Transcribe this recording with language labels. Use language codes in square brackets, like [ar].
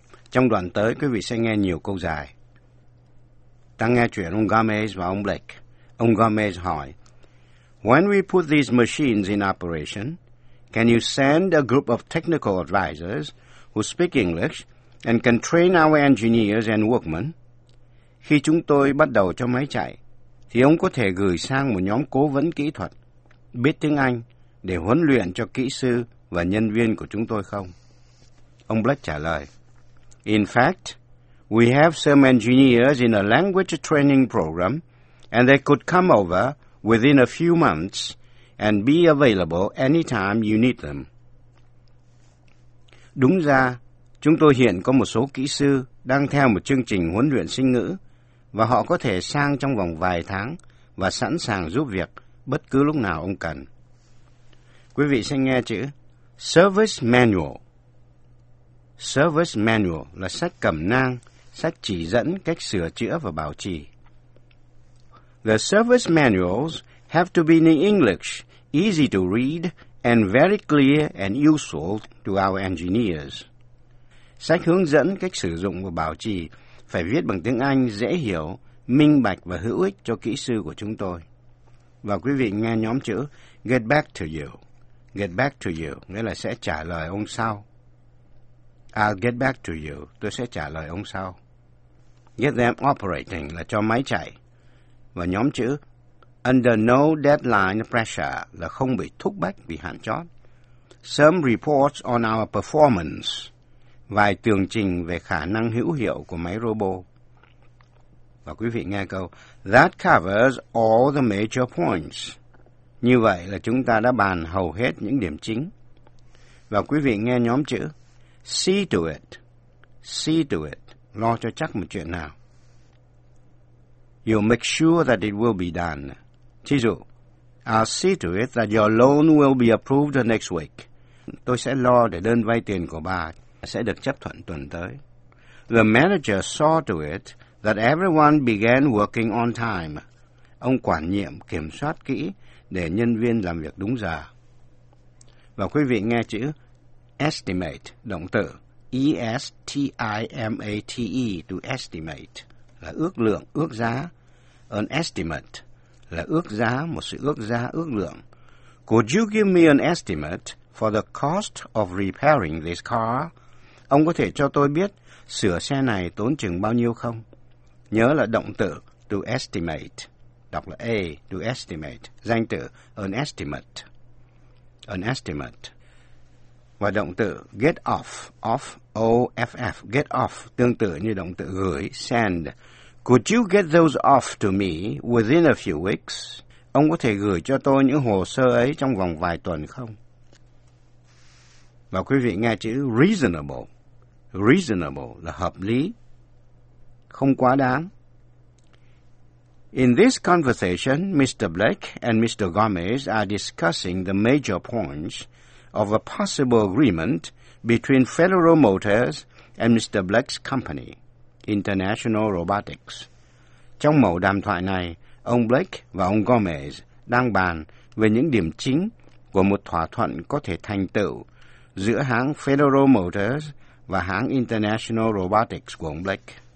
[vi] Trong đoạn tới, quý vị sẽ nghe nhiều câu dài. Ta nghe chuyện ông Gomez và ông Blake. Ông Gomez hỏi, [en] when we put these machines in operation, can you send a group of technical advisors who speak English and can train our engineers and workmen? [vi] Khi chúng tôi bắt đầu cho máy chạy, thì ông có thể gửi sang một nhóm cố vấn kỹ thuật, biết tiếng Anh, để huấn luyện cho kỹ sư và nhân viên của chúng tôi không? Ông Blake trả lời, [en] in fact, we have some engineers in a language training program, and they could come over within a few months and be available anytime you need them. [vi] Đúng ra, chúng tôi hiện có một số kỹ sư đang theo một chương trình huấn luyện sinh ngữ, và họ có thể sang trong vòng vài tháng và sẵn sàng giúp việc bất cứ lúc nào ông cần. Quý vị sẽ nghe chữ Service Manual. Service Manual là sách cẩm nang, sách chỉ dẫn cách sửa chữa và bảo trì. [en] The service manuals have to be in English, easy to read, and very clear and useful to our engineers. [vi] Sách hướng dẫn cách sử dụng và bảo trì phải viết bằng tiếng Anh dễ hiểu, minh bạch và hữu ích cho kỹ sư của chúng tôi. Và quý vị nghe nhóm chữ Get back to you. Get back to you nghĩa là sẽ trả lời ông sau. [en] I'll get back to you. [vi] Tôi sẽ trả lời ông sau. [en] Get them operating [vi] là cho máy chạy. Và nhóm chữ Under no deadline pressure là không bị thúc bách vì hạn chót. [en] Some reports on our performance. [vi] Vài tường trình về khả năng hữu hiệu của máy robot. Và quý vị nghe câu [en] That covers all the major points. [vi] Như vậy là chúng ta đã bàn hầu hết những điểm chính. Và quý vị nghe nhóm chữ See to it. See to it. Lo cho chắc một chuyện nào. [en] You'll make sure that it will be done. Thí dụ, I'll see to it that your loan will be approved next week. [vi] Tôi sẽ lo để đơn vay tiền của bà sẽ được chấp thuận tuần tới. [en] The manager saw to it that everyone began working on time. [vi] Ông quản nhiệm kiểm soát kỹ để nhân viên làm việc đúng giờ. Và quý vị nghe chữ estimate, động từ E-S-T-I-M-A-T-E, to estimate, là ước lượng, ước giá. An estimate là ước giá, một sự ước giá, ước lượng. [en] Could you give me an estimate for the cost of repairing this car? [vi] Ông có thể cho tôi biết sửa xe này tốn chừng bao nhiêu không? Nhớ là động từ to estimate. Đọc là A, to estimate. Danh từ an estimate. An estimate. Và động từ get off. Off, O-F-F. Get off. Tương tự như động từ gửi, send. [en] Could you get those off to me within a few weeks? [vi] Ông có thể gửi cho tôi những hồ sơ ấy trong vòng vài tuần không? Và quý vị nghe chữ reasonable. Reasonable là hợp lý, không quá đáng. [en] In this conversation, Mr. Blake and Mr. Gomez are discussing the major points of a possible agreement between Federal Motors and Mr. Blake's company, International Robotics. [vi] Trong mẫu đàm thoại này, ông Blake và ông Gomez đang bàn về những điểm chính của một thỏa thuận có thể thành tựu giữa hãng Federal Motors và hãng International Robotics của ông Blake.